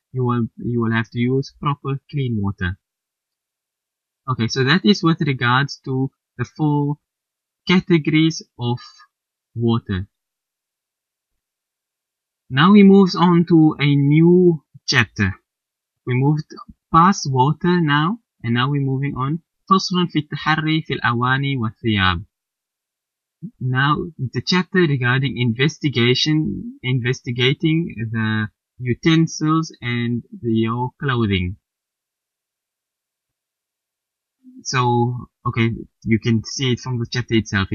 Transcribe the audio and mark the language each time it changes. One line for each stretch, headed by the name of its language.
English: You will have to use proper clean water. Okay, so that is with regards to the four categories of water. Now he moves on to a new chapter. We moved past water now, and now we're moving on.
Arabic: فصلٌ في التحري في الأواني والثياب.
English: Now the chapter regarding investigating the utensils and your clothing. So okay, you can see it from the chapter itself.